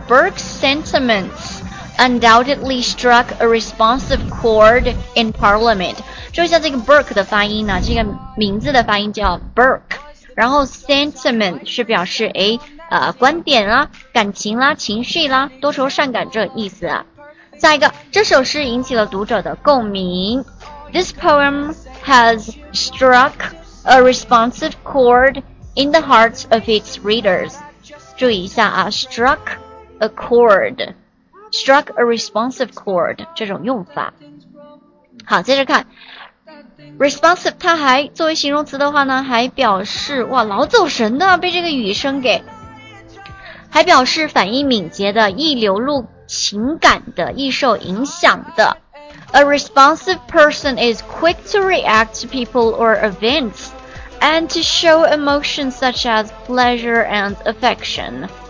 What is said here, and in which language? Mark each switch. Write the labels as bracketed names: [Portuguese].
[English] Burke's sentiments. Undoubtedly struck a responsive chord in Parliament. [Chinese] 注意一下这个 Burke 的发音呢，这个名字的发音叫 Burke， 然后 sentiment 是表示观点啦、感情啦、情绪啦、多愁善感这意思啊。下一个，这首诗引起了读者的共鸣。 [English] This poem has struck a responsive chord in the hearts of its readers. 注意一下啊，struck a chord. Struck a responsive chord 这种用法。 [Chinese] 好，接着看 responsive， 它还作为形容词的话呢，还表示哇老走神的，被这个雨声给，还表示反应敏捷的，易流露情感的，易受影响的。 [English] A responsive person is quick to react to people or events and to show emotions such as pleasure and affection.